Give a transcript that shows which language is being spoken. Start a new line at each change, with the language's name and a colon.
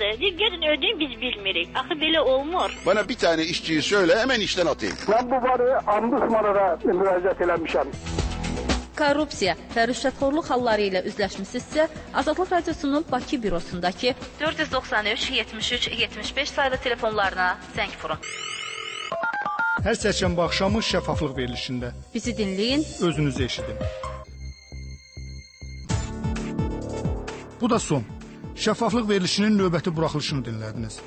Azerbaijani: Deyin, gedin ödeyin, biz bilmirik. Axı, belə olmur.
Turkish: Bana bir tane işçiyi söyle, hemen işten atayım.
Azerbaijani: Ben bu barı ombudsmanlara müraciət eləmişəm. Korrupsiya və rüşvətxorluq halları ilə üzləşmisinizsə, Azadlıq Radiosunun Bakı bürosundakı 493-73-75 sayılı telefonlarına zəng vurun. Hər çərşənbə axşamı şəffaflıq verilişində. Bizi dinleyin. Özünüzü eşidin. Bu da son. Şəffaflıq verilişinin növbəti buraxılışını dinlədiniz.